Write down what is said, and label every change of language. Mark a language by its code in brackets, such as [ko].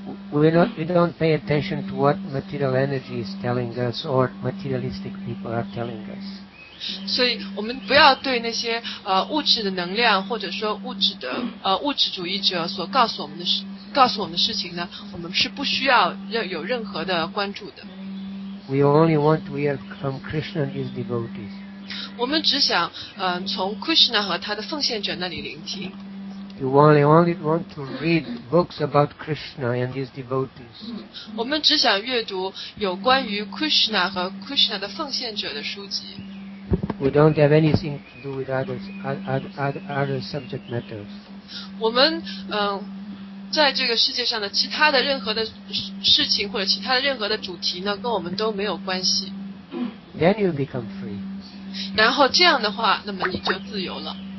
[en] We don't pay attention to what material energy is telling us or materialistic people are telling us. [zh] 所以我们不要对那些物质的能量或者说物质主义者所告诉我们的事情呢，我们是不需要有任何的关注的。 [en] We only want to hear from Krishna and his devotees. [zh] 我们只想从 Krishna 和他的奉献者那里聆听。 [en] You only want to read books about Krishna and his devotees. [zh] 我们只想阅读有关于 Krishna 和 Krishna 的奉献者的书籍。 [en] We don't have anything to do with other subject matters. [zh] 我们在这个世界上的其他的任何的事情或者其他的任何的主题呢，跟我们都没有关系。 [en] Then you become free. [zh] 然后这样的话，那么你就自由了。